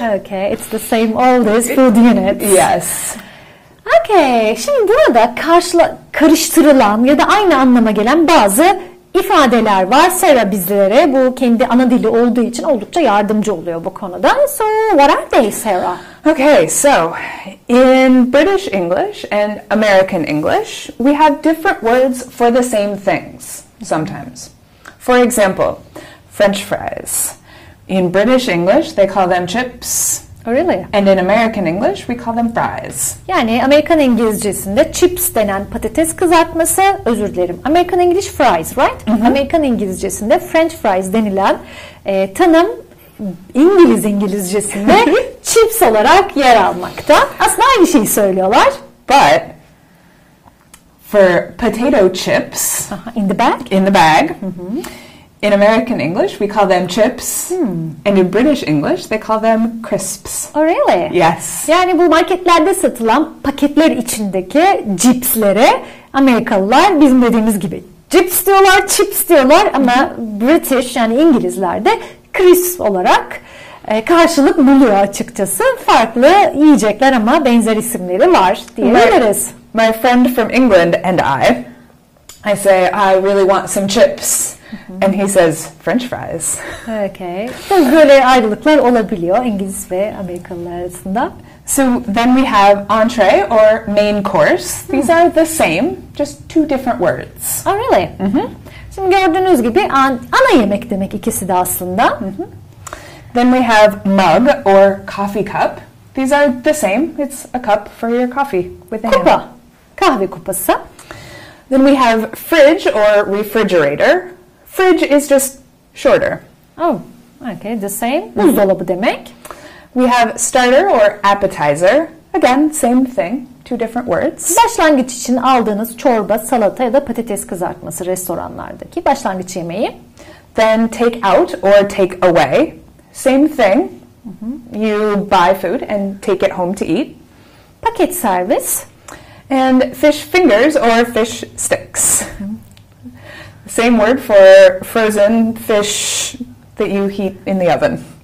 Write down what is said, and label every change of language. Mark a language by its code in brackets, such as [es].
[en] Okay. It's the same oldest food unit. Yes. [tr] Okay, şimdi burada karıştırılan ya da aynı anlama gelen bazı ifadeler var. Sarah bizlere bu kendi ana dili olduğu için oldukça yardımcı oluyor bu konuda. [en] So, what are they, Sarah? Okay, so, in British English and American English, we have different words for the same things, sometimes. For example, French fries. In British English, they call them chips. Oh, really? And in American English, we call them fries. [tr] Yani Amerikan İngilizcesinde chips denen patates kızartması, özür dilerim. [en] American English fries, right? [tr] Mm-hmm. Amerikan İngilizcesinde French fries denilen tanım İngiliz İngilizcesinde chips olarak yer almakta. Aslında aynı şeyi söylüyorlar. [en] But for potato chips... In the bag? In the bag. Mm-hmm. In American English, we call them chips. Hmm. And in British English, they call them crisps. Oh, really? Yes. [tr] Yani bu marketlerde satılan paketler içindeki cipslere Amerikalılar bizim dediğimiz gibi Cips diyorlar, chips diyorlar ama British yani İngilizler de crisps olarak karşılık buluyor açıkçası. Farklı yiyecekler ama benzer isimleri var diyebiliriz. [en] My friend from England and I say I really want some chips. And he says French fries. Okay. [tr] So böyle ayrılıklar olabiliyor İngiliz ve Amerikalılar arasında. [en] So then we have entree or main course. These are the same, just two different words. Oh really? [tr] Şimdi gördüğünüz gibi ana yemek demek ikisi de aslında. [en] Then we have mug or coffee cup. These are the same. It's a cup for your coffee with a [tr] kupa. [en] Handle. [tr] Kahve kupası. [en] Then we have fridge or refrigerator. Fridge is just shorter. Oh, okay, the same. [tr] Buzdolabı demek. [en] We have starter or appetizer. Again, same thing, two different words. [tr] Başlangıç için aldığınız çorba, salata ya da patates kızartması restoranlardaki başlangıç yemeği. [en] Then take out or take away. Same thing. You buy food and take it home to eat. [tr] Paket servis. [en] And fish fingers or fish sticks. Same word for frozen fish that you heat in the oven.